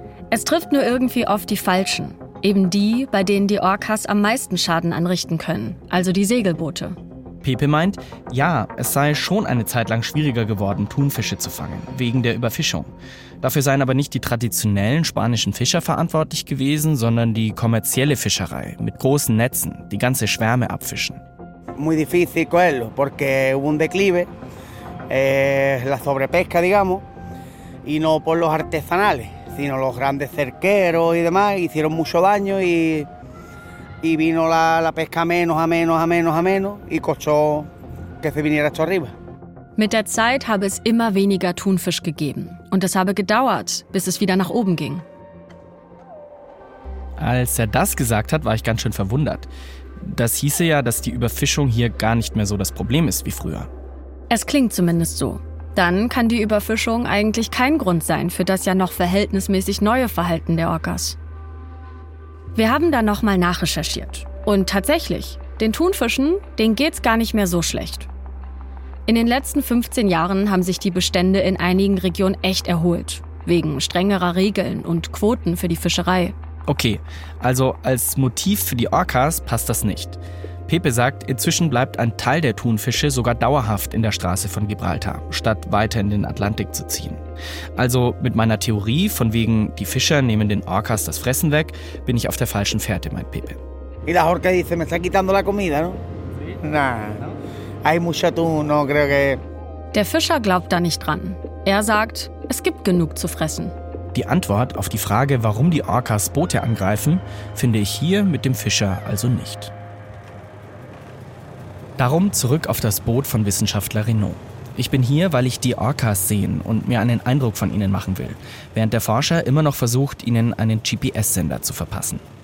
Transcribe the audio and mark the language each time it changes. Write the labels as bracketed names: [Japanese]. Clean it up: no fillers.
[German] Es trifft nur irgendwie oft die Falschen. Eben die, bei denen die Orcas am meisten Schaden anrichten können, also die Segelboote. Pepe meint, ja, es sei schon eine Zeit lang schwieriger geworden, Thunfische zu fangen, wegen der Überfischung. Dafür seien aber nicht die traditionellen spanischen Fischer verantwortlich gewesen, sondern die kommerzielle Fischerei mit großen Netzen, die ganze Schwärme abfischen. [Spanish] Muy difícil cogerlo, porque hubo un declive, la sobrepesca, digamos, y no por los artesanales, sino los grandes cerqueros y demás hicieron mucho daño y vino la pesca menos y costó que se viniera esto arriba. [German] Mit der Zeit habe es immer weniger Thunfisch gegeben. Und es habe gedauert, bis es wieder nach oben ging. Als er das gesagt hat, war ich ganz schön verwundert. Das hieße ja, dass die Überfischung hier gar nicht mehr so das Problem ist wie früher. Es klingt zumindest so. Dann kann die Überfischung eigentlich kein Grund sein für das ja noch verhältnismäßig neue Verhalten der Orcas. Wir haben da nochmal nachrecherchiert. Und tatsächlich, den Thunfischen, denen geht's gar nicht mehr so schlecht. In den letzten 15 Jahren haben sich die Bestände in einigen Regionen echt erholt. Wegen strengerer Regeln und Quoten für die Fischerei. Okay, also als Motiv für die Orcas passt das nicht. Pepe sagt, inzwischen bleibt ein Teil der Thunfische sogar dauerhaft in der Straße von Gibraltar, statt weiter in den Atlantik zu ziehen. Also mit meiner Theorie, von wegen die Fischer nehmen den Orcas das Fressen weg, bin ich auf der falschen Fährte, meint Pepe. [Spanish] Y la orca dice, me está quitando la comida, ¿no? Na, hay mucho atún, no creo que... [German] Der Fischer glaubt da nicht dran. Er sagt, es gibt genug zu fressen. Die Antwort auf die Frage, warum die Orcas Boote angreifen, finde ich hier mit dem Fischer also nicht. Darum zurück auf das Boot von Wissenschaftler Renaud. Ich bin hier, weil ich die Orcas sehen und mir einen Eindruck von ihnen machen will, während der Forscher immer noch versucht, ihnen einen GPS-Sender zu verpassen.